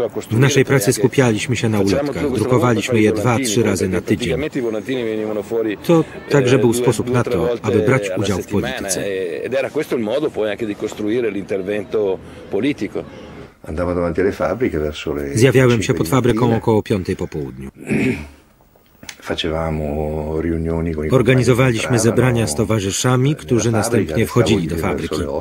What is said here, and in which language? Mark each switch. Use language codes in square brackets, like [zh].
[pl] W naszej pracy skupialiśmy się na ulotkach. Drukowaliśmy je 2-3 razy na tydzień. To także był sposób na to, aby brać udział w polityce. [it] Ed era questo il modo poi anche di costruire l'intervento politico. Andavo davanti alle fabbriche verso le. [pl] Zjawiałem się pod fabryką około 5 po południu. [it] Facevamo riunioni con i. [pl] Organizowaliśmy zebrania z towarzyszami, którzy następnie wchodzili do fabryki.